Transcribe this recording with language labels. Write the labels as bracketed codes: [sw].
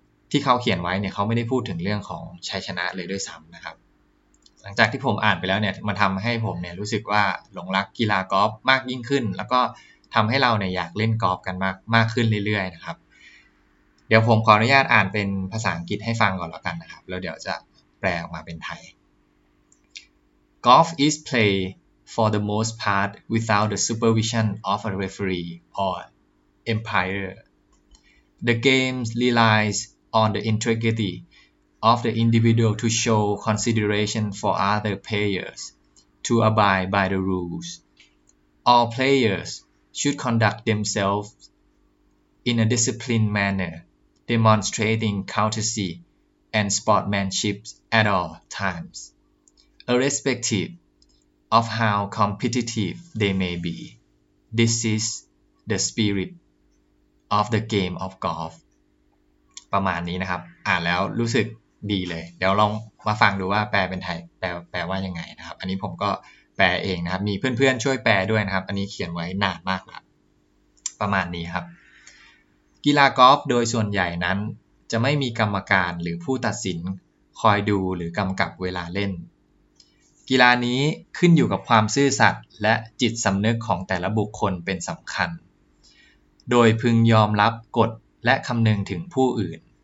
[th] ที่เขาเขียนไว้เนี่ยเขาไม่ได้พูดถึงเรื่องของชัยชนะเลยด้วยซ้ำนะครับหลังจากที่ผมอ่านไปแล้วเนี่ยมันทำให้ผมเนี่ยรู้สึกว่าหลงรักกีฬากอล์ฟมากยิ่งขึ้นแล้วก็ทำให้เราเนี่ยอยากเล่นกอล์ฟกันมากขึ้นเรื่อยๆนะครับเดี๋ยวผมขออนุญาตอ่านเป็นภาษาอังกฤษให้ฟังก่อนแล้วกันนะครับแล้วเดี๋ยวจะแปลออกมาเป็นไทย [en] Golf is played for the most part without the supervision of a referee or umpire. The game reliesOn the integrity of the individual to show consideration for other players to abide by the rules. All players should conduct themselves in a disciplined manner, demonstrating courtesy and sportsmanship at all times, irrespective of how competitive they may be. This is the spirit of the game of golf. [th] ประมาณนี้นะครับอ่านแล้วรู้สึกดีเลยเดี๋ยวลองมาฟังดูว่าแปลเป็นไทยแปลว่ายังไงนะครับอันนี้ผมก็แปลเองนะครับมีเพื่อนๆช่วยแปลด้วยนะครับอันนี้เขียนไว้นานมากแล้วประมาณนี้ครับ กีฬากอล์ฟโดยส่วนใหญ่นั้นจะไม่มีกรรมการหรือผู้ตัดสินคอยดูหรือกำกับเวลาเล่นกีฬานี้ขึ้นอยู่กับความซื่อสัตย์และจิตสำนึกของแต่ละบุคคลเป็นสำคัญโดยพึงยอมรับกฎและคำนึงถึงผู้อื่น